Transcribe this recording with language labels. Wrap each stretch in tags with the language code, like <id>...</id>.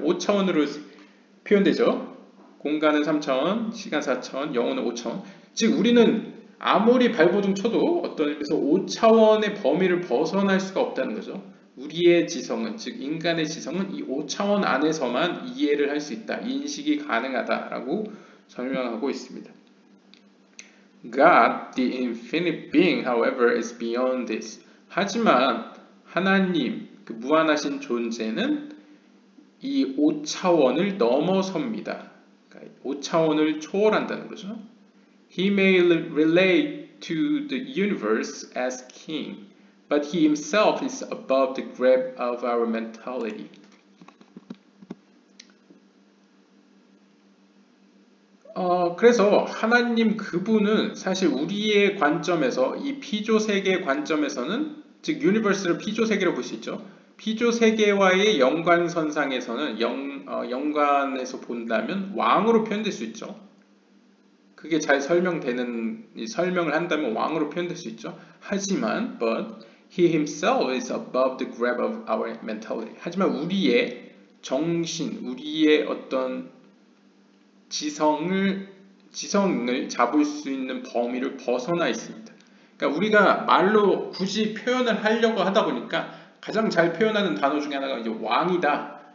<ko>5차원으로 표현되죠. 공간은 3차원, 시간 4차원, 영혼은 5차원. 즉 우리는 아무리 발버둥 쳐도 어떤 의미에서 5차원의 범위를 벗어날 수가 없다는 거죠. 우리의 지성은, 즉 인간의 지성은 이 5차원 안에서만 이해를 할 수 있다. 인식이 가능하다라고 설명하고 있습니다.</ko> <en>God, the infinite being, however, is beyond this.</en> <ko>하지만 하나님, 그 무한하신 존재는 이 5차원을 넘어섭니다. 5차원을 초월한다는 거죠.</ko> <en>He may relate to the universe as king, but he himself is above the grab of our mentality.</en> <ko>그래서 하나님 그분은 사실 우리의 관점에서 이 피조 세계의 관점에서는 즉 유니버스를 피조 세계로 볼 수 있죠. 피조 세계와의 연관선상에서는 연관에서 본다면 왕으로 표현될 수 있죠. 그게 잘 설명을 한다면 왕으로 표현될 수 있죠. 하지만,</ko> <en>but he himself is above the grab of our mentality.</en> <ko>하지만 우리의 정신, 우리의 어떤 지성을 잡을 수 있는 범위를 벗어나 있습니다. 그러니까 우리가 말로 굳이 표현을 하려고 하다 보니까 가장 잘 표현하는 단어 중에 하나가 이제 왕이다.</ko>